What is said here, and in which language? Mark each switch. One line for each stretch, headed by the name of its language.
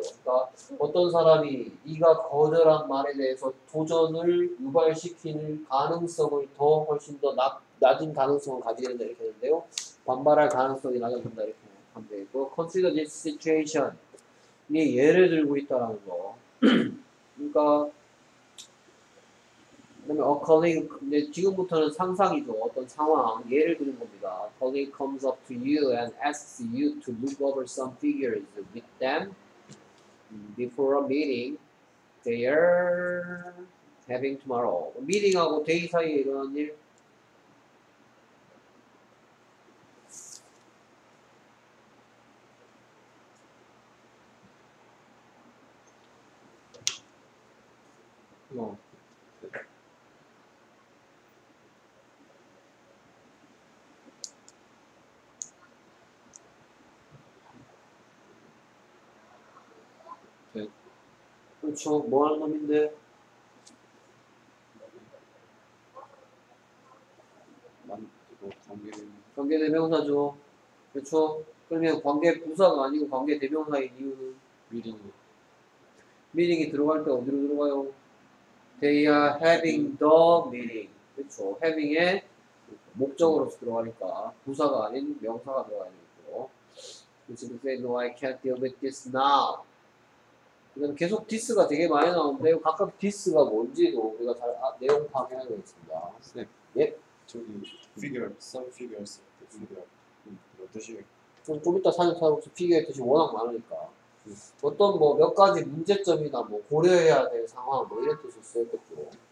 Korean: 그러니까 어떤 사람이 네가 거절한 말에 대해서 도전을 유발시킬 가능성을 더 훨씬 더 낮은 가능성을 가지게 된다 이렇게 했는데요. 반발할 가능성이 낮아진다 이렇게 하면 되고
English: consider this situation
Korean: 이 예를 들고 있다라는 거. 그러니까 그다음에
English: a colleague,
Korean: 근데 지금부터는 상상이죠. 어떤 상황, 예를 드는 겁니다.
English: colleague comes up to you and asks you to look over some figures with them before a meeting they are having tomorrow.
Korean: 미팅하고 데이 사이에 일어난 일. 그렇죠. 뭐 하는 놈인데? 관계 대명사죠. 그렇죠. 그러면 관계 부사가 아니고 관계 대명사인 이유는? 미팅이. 미팅이 들어갈 때 어디로 들어가요?
English: They are having the meeting.
Korean: 그렇죠. having의 목적으로서 들어가니까 부사가 아닌 명사가 들어가야 되겠죠.
English: Which is to say, no, I can't deal with this now.
Korean: 계속 디스가 되게 많이 나오는데 각각 디스가 뭔지도 우리가 잘 내용 파악해야 되겠습니다. 네. 예. 저기 figure, some figures, figure. 뜻이. 좀 이따 사전 찾아보세요. figure의 뜻이 워낙 많으니까. 어떤 뭐 몇 가지 문제점이나 뭐 고려해야 될 상황 뭐 이런 뜻을 써야겠고.